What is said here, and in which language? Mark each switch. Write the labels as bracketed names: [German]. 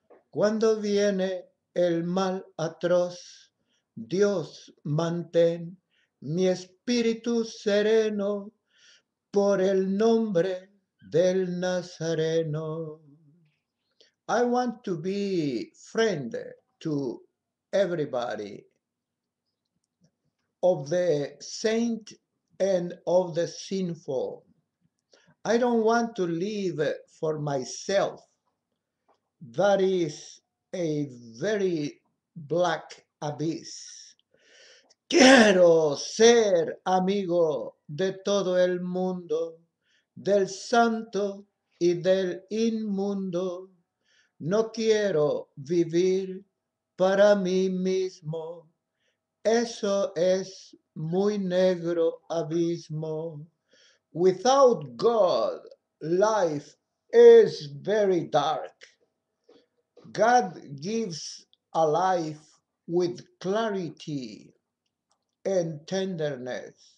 [Spanish] Cuando viene el mal atroz, Dios, mantén mi espíritu sereno por el nombre del Nazareno. [English] I want to be friend to everybody, of the saint and of the sinful. I don't want to live for myself. That is a very black abyss. [Spanish] Quiero ser amigo de todo el mundo, del santo y del inmundo. No quiero vivir para mí mismo. Eso es muy negro abismo. [English] Without God, life is very dark. God gives a life with clarity and tenderness.